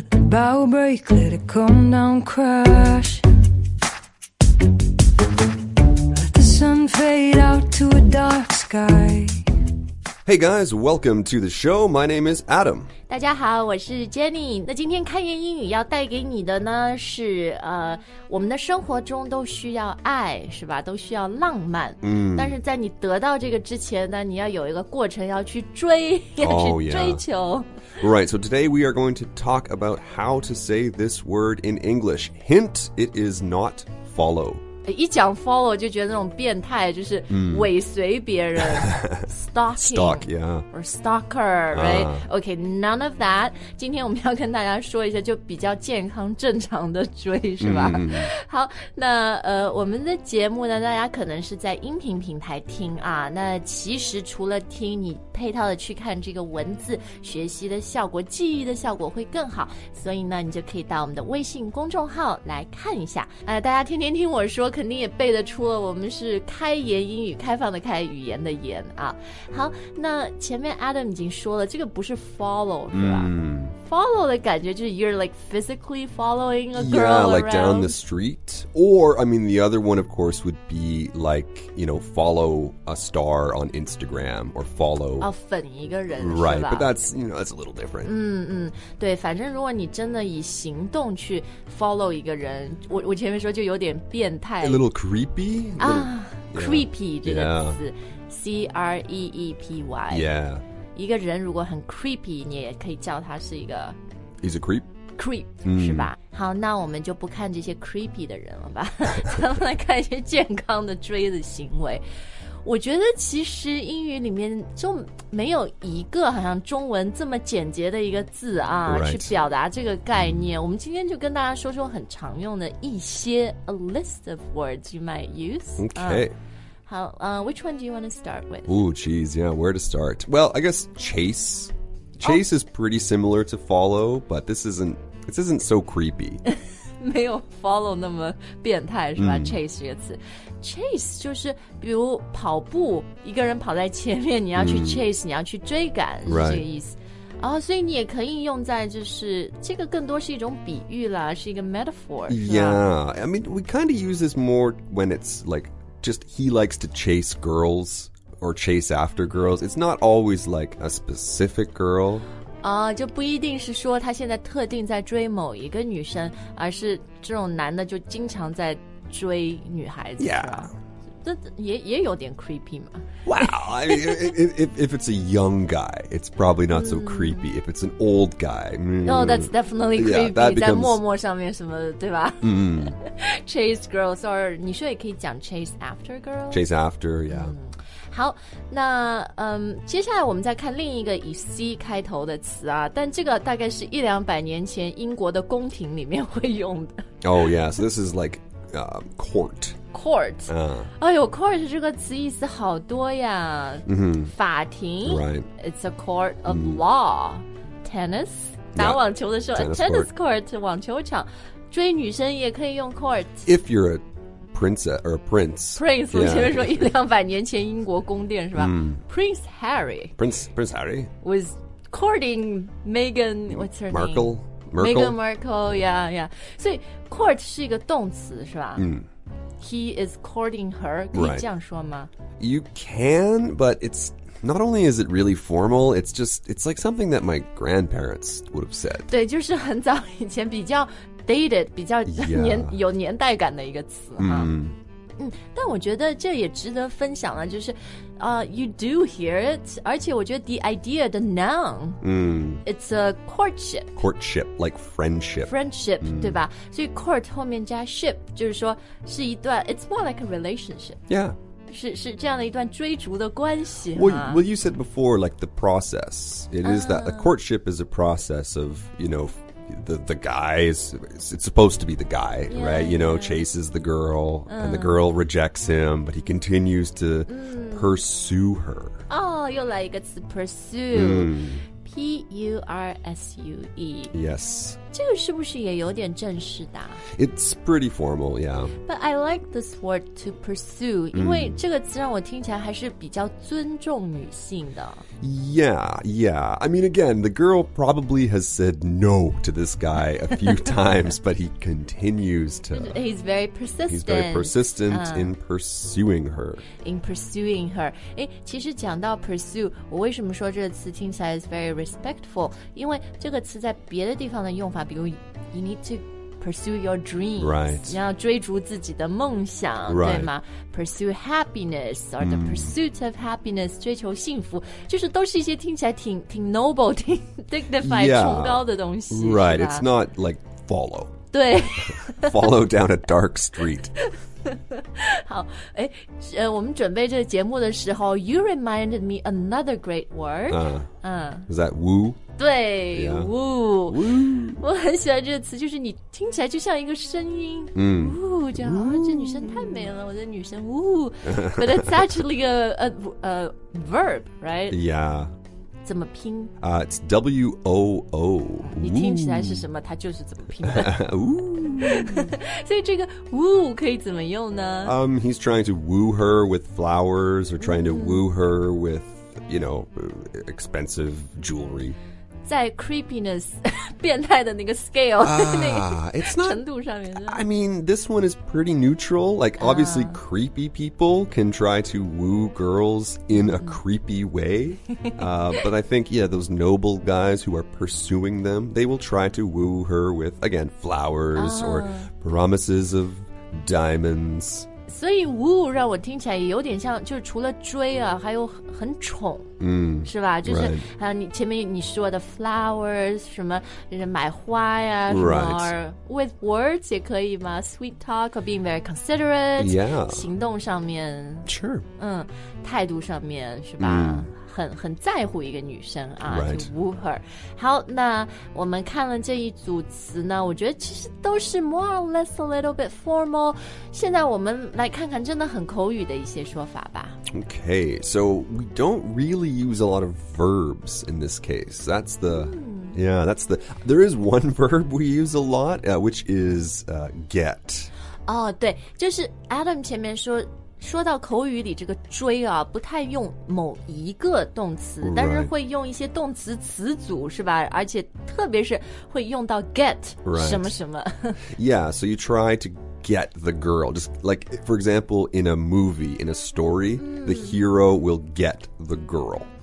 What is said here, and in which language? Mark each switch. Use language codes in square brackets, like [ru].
[en] bow break, let it come down, crash. Let the sun fade out to a dark sky. Hey guys, welcome to the show. My name is Adam. [zh] 大家好，我是 Jenny。那今天开言英语要带给你的呢是我们的生活中都需要爱，是吧？都需要浪漫。嗯。但是在你得到这个之前呢，你要有一个过程要去追，要去追求。 [en] Right, so today we are going to talk about how to say this word in English. Hint, it is not follow. [zh] 一讲 follow 就觉得那种变态，就是尾随别人、stalking, [en] stalk, yeah, or stalker, right?、Okay, none of that. [zh] 今天我们要跟大家说一下，就比较健康正常的追，是吧？ Mm. 好，那我们的节目呢，大家可能是在音频平台听啊。那其实除了听，你配套的去看这个文字，学习的效果、记忆的效果会更好。所以呢，你就可以到我们的微信公众号来看一下。大家天天听我说。我肯定也背得出了，我们是开言英语，开放的开，语言的言啊。好，那前面 Adam 已经说了，这个不是 follow 是吧？ [en] Follow [zh] 的感觉就是 [en] you're like physically following a girl Yeah, like down the street. Or, I mean, the other one, of course, would be like, you know, follow a star on Instagram or follow... [zh] 要粉一个人 [en] Right, but that's, you know, that's a little different. [zh] 对，反正如果你真的以行动去 follow 一个人，我前面说就有点变态。 [en] A little creepy? [zh] Creepy 这个词。C-R-E-E-P-Y. [en] Yeah. [zh] 一个人如果很 creepy, 你也可以叫他是一个 [en] He's a creep? [zh] Creep,、是吧？好，那我们就不看这些 creepy 的人了吧，咱们来看一些健康的追的行为。我觉得其实英语里面就没有一个好像中文这么简洁的一个字啊、 [en] right. [zh] 去表达这个概念。我们今天就跟大家说说很常用的一些 [en] a list of words you might use. Okay. Which one do you want to start with? Ooh, geez, yeah, where to start? Well, I guess chase. Chase、is pretty similar to follow, but this isn't so creepy. [zh] 没有 follow 那么变态是吧、chase 这个词。 Chase 就是比如跑步，一个人跑在前面，你要去 chase,、你要去追赶、 [en] right. [zh] 这个意思。所以你也可以用在就是这个更多是一种比喻啦，是一个 metaphor. [en] Yeah, I mean, we kind of use this more when it's like,just he likes to chase girls or chase after girls. It's not always like a specific girl. [zh] 就不一定是说他现在特定在追某一个女生，而是这种男的就经常在追女孩子。 [en] Yeah. [zh] 这也有点 creepy 嘛。 [en] Wow, I mean, if it's a young guy, it's probably not so creepy. If it's an old guy, No, that's definitely creepy. Yeah, that becomes... [zh] 在陌陌上面什么的，对吧？ [en] Chase girls, or [zh] 你说也可以讲 [en] chase after girls? Chase after, yeah. [zh] 好，那接下来我们再看另一个以 C 开头的词啊，但这个大概是一两百年前英国的宫廷里面会用的。 [en] Oh, yeah, so this is like court. Court. [zh] Court 这个词意思好多呀。法庭。 [en] Right. It's a court of law. Tennis. 打网球的时候 tennis court, [zh] 网球场。追女生也可以用 court. [en] If you're a princess or a prince. [zh] Prince, 我前面说一两百年前英国宫殿是吧、Prince Harry. [en] Prince Harry. Was courting Meghan, what's her Markle? Name? Meghan Markle, yeah, yeah. [zh] 所以 court 是一个动词是吧？ [en] He is courting her. [zh] 可以这样说吗 [en] You can, but it's not only is it really formal, it's just, it's like something that my grandparents would have said. [zh] 对，就是很早以前比较 dated, 比较年、 [en] yeah. [zh] 有年代感的一个词、但我觉得这也值得分享了，就是 [en] you do hear it, [zh] 而且我觉得 [en] the idea, the noun,、it's a courtship. Courtship, like friendship. [zh] Friendship,、对吧？ 所以 court 后面加 ship, 就是说是一段 [en] it's more like a relationship. Yeah. [zh] 是这样的一段追逐的关系。 [en] Well, you said before, like the process. It is that a courtship is a process of, you know,The guy, it's supposed to be the guy, yeah, right? You know,、chases the girl,、and the girl rejects him, but he continues to、pursue her. [zh] Oh, 又来一个词 pursue.、P-U-R-S-U-E. [en] Yes. [zh] 这个是不是也有点正式的、啊、 [en] It's pretty formal, yeah. But I like this word to pursue, [zh] 因为这个词让我听起来还是比较尊重女性的。 [en] Yeah, yeah. I mean, again, the girl probably has said no to this guy a few times, but he continues to... He's very persistent. He's very persistent in pursuing her. In pursuing her. [zh] 诶，其实讲到 pursue, 我为什么说这个词听起来 [en] is very respectful? [zh] 因为这个词在别的地方的用法，比如 [en] you need to pursue your dreams, right. [zh] 你要追逐自己的梦想、 [en] right. [zh] 对吗 [en] pursue happiness or the pursuit of happiness [zh] 追求幸福就是都是一些听起来 挺 noble 挺 dignified、 [en] yeah. [zh] 崇高的东西 [en] right, it's not like follow [zh] 对 [en] follow down a dark street [zh] 好诶、我们准备这个节目的时候 [en] You reminded me another great word Is that woo? [zh] 对、 [en] yeah. woo. woo [zh] 我很喜欢这个词就是你听起来就像一个声音、woo 就好、woo. 这女生太美了我的女生 woo [en] But it's actually a verb, right? Yeah [zh] 怎么拼、 [en] It's W-O-O [zh] 你听起来是什么它就是怎么拼的 [en] Woo [zh] 所以这个 woo 可以怎么用呢、 [en] He's trying to woo her with flowers Or trying to woo her with You know, expensive jewelry [zh] 在 creepiness 变态的那个 scale、 [en] It's not [zh] 程度上面 [en] I mean, this one is pretty neutral Like obviously、creepy people Can try to woo girls In a creepy way But I think, yeah, those noble guys Who are pursuing them They will try to woo her with, again, flowers、Or promises of diamonds [zh] 所以 woo 让我听起来也有点像就是除了追啊还有很宠、是吧就是、 [en] right. [zh] 还有你前面你说的 flowers 什么买花呀、啊、 [en] right. with words [zh] 也可以吗 [en] sweet talk or being very considerate、 yeah. [zh] 行动上面 [en] sure、 [zh] 态度上面是吧、很在乎一个女生啊、 [en] right. [zh] 就 woo her 好那我们看了这一组词呢我觉得其实都是 [en] more or less a little bit formal [zh] 现在我们来看看真的很口语的一些说法吧 [en] Okay, so we don't really use a lot of verbs in this case That's the,、yeah, that's the There is one verb we use a lot, which is get [zh] 哦、对就是 Adam 前面说说到口语里这个追啊不太用某一个动词、 [en] right. [zh] 但是会用一些动词词组是吧而且特别是会用到 get 什么什么、 [en] right. Yeah, so you try to get the girl Just like, for example, in a movie, in a story、The hero will get the girl